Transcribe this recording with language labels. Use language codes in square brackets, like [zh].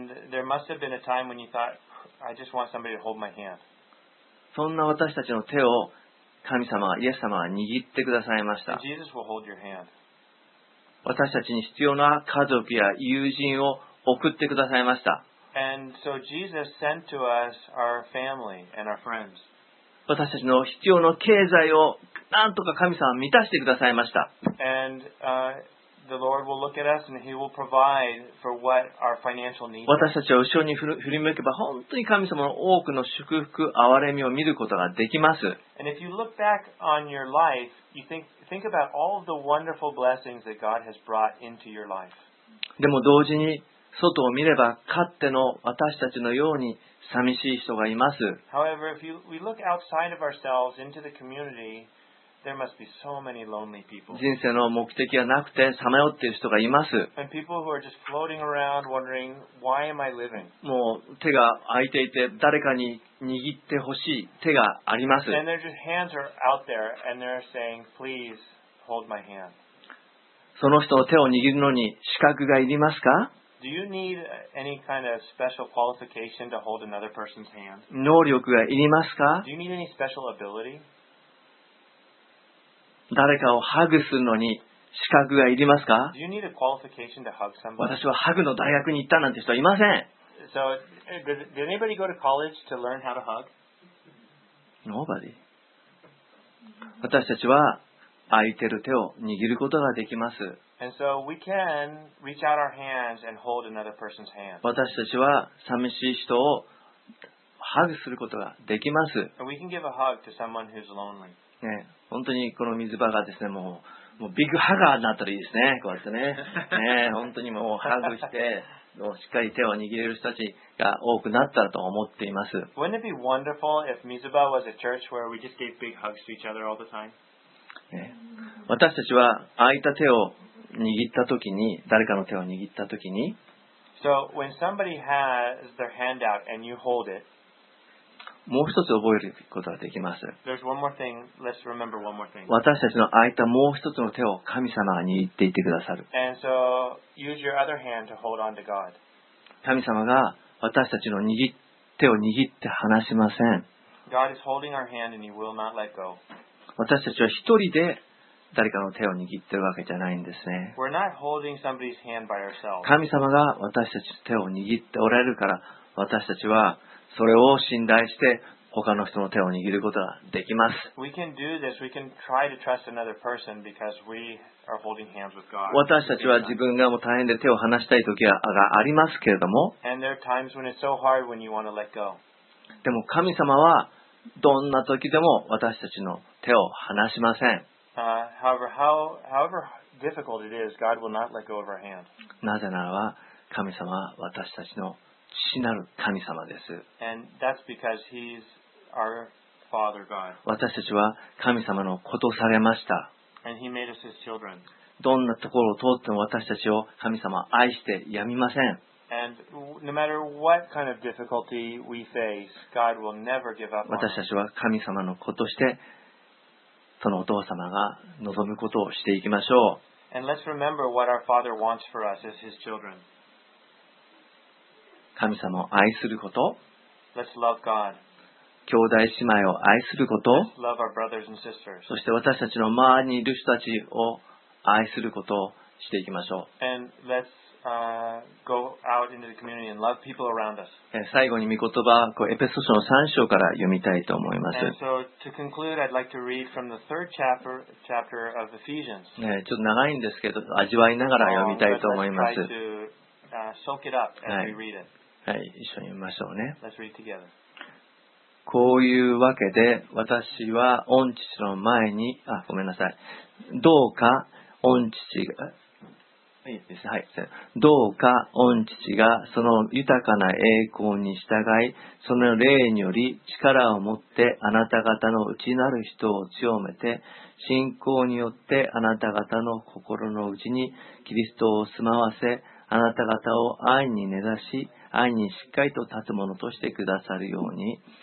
[en] Thought, [ja] そんな私たちの手を神様、イエス様は握ってくださいました。私たちに必要な家族や友人を送ってくださいました。 [en] And so Jesus sent to us our family and our friends. [ja] 私たちの必要の経済をなんとか神様は満たしてくださいました。 [en] And, the Lord will look at us and He will provide for what our financial needs are. [ja] 私たちを後ろに振り向けば本当に神様の多くの祝福、憐れみを見ることができます。 [en] And if you look back on your life, you think about all the wonderful blessings that God has brought into your life. [ja] でも同時に外を見れば、かつての私たちのように寂しい人がいます。 [en] However, if we look outside of ourselves into the community, there must be so many lonely people. [ja] 人生の目的がなくてさまよっている人がいます。 [en] And people who are just floating around wondering, why am I living? [ja] もう手が空いていて、誰かに握ってほしい手があります。 [en] And their just hands are out there and they're saying, please hold my hand. [ja] その人の手を握るのに資格がいりますか？ [en] Do you need any kind of special qualification to hold another person's hand? [ja] 能力がいりますか? [en] Do you need any special ability? [ja] 誰かをハグするのに資格がいりますか? [en] Do you need a qualification to hug somebody? [ja] 私はハグの大学に行ったなんて人いません。 [en] So, did anybody go to college to learn how to hug? Nobody. [ja] 私たちは空いてる手を握ることができます。 [en] And so we can reach out our hands and hold another person's hand. [ja] 私たちは寂しい人をハグすることができます。 [en] And we can give a hug to someone who's lonely. [ja] ね、本当にこの水場がですね、もうビッグハガーになったらいいですね。こうやってね、ね、本当にもうハグして、もうしっかり手を握れる人たちが多くなったらと思っています。 [en] Wouldn't it be wonderful if Mizuba was a church where we just gave big hugs to each other all the time? [ja] ね、私たちは空いた手を握ったときに、誰かの手を握ったときに、 [en] so、when somebody has their hand out and you hold it, [ja] もう一つ覚えることができます。 [en] There's one more thing. Let's remember one more thing. [ja] 私たちの空いたもう一つの手を神様が握っていてくださる。 [en] And so, use your other hand to hold on to God. [ja] 神様が私たちの手を握って離しません。 [en] God is holding our hand and He will not let go. [ja] 私たちは一人で誰かの手を握っているわけじゃないんですね。 [en] We're not holding somebody's hand by ourselves. [ja] 神様が私たちの手を握っておられるから、私たちはそれを信頼して他の人の手を握ることができます。 [en] We can do this. We can try to trust another person because we are holding hands with God. [ja] 私たちは自分がもう大変で手を離したい時がありますけれども、 [en] And there are times when it's so hard when you want to let go. [ja] でも神様はどんな時でも私たちの手を離しません。 [en] However difficult it is, God will not let go of our hand. [ja] なぜならば、神様は私たちの父なる神様です。 [en] And that's because He's our Father God. [ja] 私たちは神様の子とされました。 [en] And He made us His children. [ja] どんなところを通っても私たちを神様は愛してやみません。 [en] And no matter what kind of difficulty we face, God will never give up on us. [ja] 私たちは神様の子として、そのお父様が望むことをしていきましょう。 [en] And let's remember what our Father wants for us as His children. [ja] 神様を愛すること。 [en] Let's love God. [ja] 兄弟姉妹を愛すること。 [en] Let's love our brothers and sisters. [ja] そして私たちの周りにいる人たちを愛することをしていきましょう。 [en] And let's go out into the community and love people around us. [ja] 最後に御言葉、こうエペソ書の3章から読みたいと思います。 [en] And so to conclude, I'd like to read from the third chapter of Ephesians. [ja] ちょっと長いんですけど、味わいながら読みたいと思います。 [en] Let's try to soak it up as we read it. [ja] はい、一緒に読みましょうね。 [en] Let's read together. [ja] こういうわけで、私は御父の前に、ごめんなさい。どうか御父が、はい、どうか御父がその豊かな栄光に従い、その霊により力を持ってあなた方の内なる人を強めて、信仰によってあなた方の心の内にキリストを住まわせ、あなた方を愛に根ざし、愛にしっかりと立つものとしてくださるように、